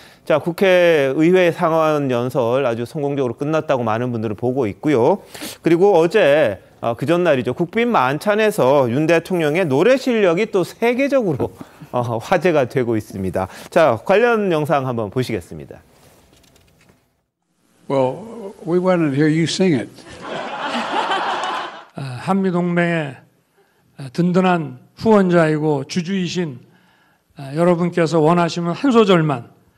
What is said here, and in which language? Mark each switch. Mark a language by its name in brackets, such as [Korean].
[Korean] 자 국회의회 상원 연설 아주 성공적으로 끝났다고 많은 분들을 보고 있고요. 그리고 어제 그 전날이죠. 국빈 만찬에서 윤 대통령의 노래 실력이 또 세계적으로 화제가 되고 있습니다. 자 관련 영상 한번 보시겠습니다. [English] Well, we want to hear you sing it. [Korean] 한미동맹의 든든한 후원자이고 주주이신 여러분께서 원하시면 한 소절만.